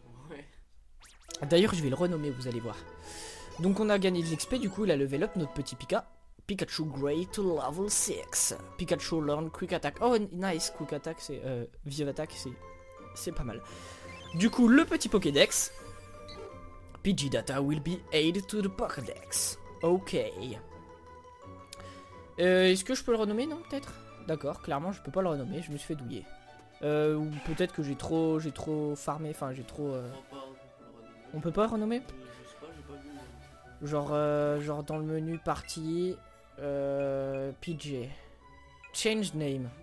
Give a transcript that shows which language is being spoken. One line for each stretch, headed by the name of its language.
French: Ouais. D'ailleurs, je vais le renommer, vous allez voir. Donc on a gagné de l'XP, du coup il a level up notre petit Pika.
English: Pikachu Grey to level 6. Pikachu learn quick attack.
French: Oh, nice, quick attack, c'est vive attack, c'est pas mal. Du coup, le petit Pokédex.
English: Pidgey data will be added to the Pokédex.
French: Ok. Est-ce que je peux le renommer, non, peut-être? D'accord, clairement je peux pas le renommer, je me suis fait douiller. Ou peut-être que j'ai trop farmé, enfin j'ai trop. On peut pas le renommer ? Genre dans le menu partie PJ.
English: Change name.